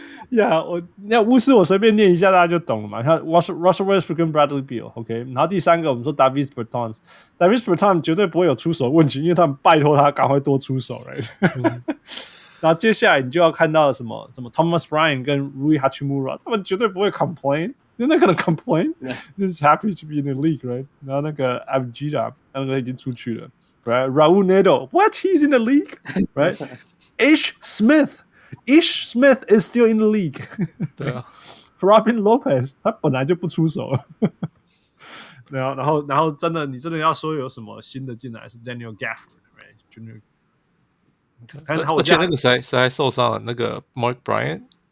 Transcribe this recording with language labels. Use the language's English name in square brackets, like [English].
[Chinese] 呀、yeah, 巫师我随便念一下大家就懂了嘛，像 Russell Westbrook 跟 Bradley Beal、okay? 然后第三个我们说 Davis Bertans， Davis Bertans 绝对不会有出手问题，因为他们拜托他赶快多出手、right? 然后接下来你就要看到什么 Thomas Bryant 跟 Rui Hachimura， 他们绝对不会 complain， [English] They're not gonna complain、 [Chinese] yeah. [English] They're just happy to be in the league right， [Chinese] 然后那个 Avgida那个已经出去了 [English] ，Right? Raul Neto, what? He's in the league, right? Ish Smith is still in the league. [Chinese] 对啊，Robin Lopez 他本来就不出手了。对啊，然后真的，你真的要说有什么新的进来是 Daniel Gafford, right? [English] Junior. [Chinese] 而且那个谁受伤了？那个 Mark Bryant,